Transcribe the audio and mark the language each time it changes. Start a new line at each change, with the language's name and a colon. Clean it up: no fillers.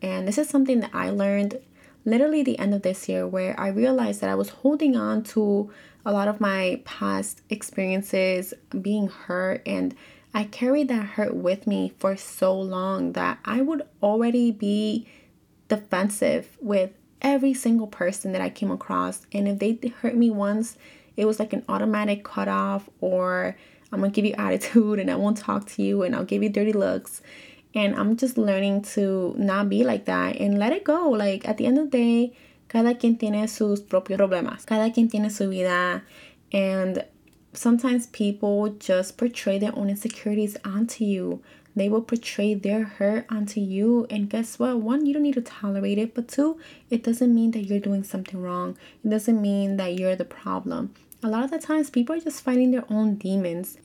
English: And this is something that I learned literally the end of this year, where I realized that I was holding on to a lot of my past experiences being hurt, and I carried that hurt with me for so long that I would already be defensive with every single person that I came across. And if they hurt me once, it was like an automatic cutoff, or I'm gonna give you attitude and I won't talk to you and I'll give you dirty looks. And I'm just learning to not be like that and let it go. Like, at the end of the day,
Spanish: cada quien tiene sus propios problemas. Cada quien tiene su vida.
English: And sometimes people just portray their own insecurities onto you. They will portray their hurt onto you. And guess what? One, you don't need to tolerate it. But two, it doesn't mean that you're doing something wrong. It doesn't mean that you're the problem. A lot of the times, people are just fighting their own demons.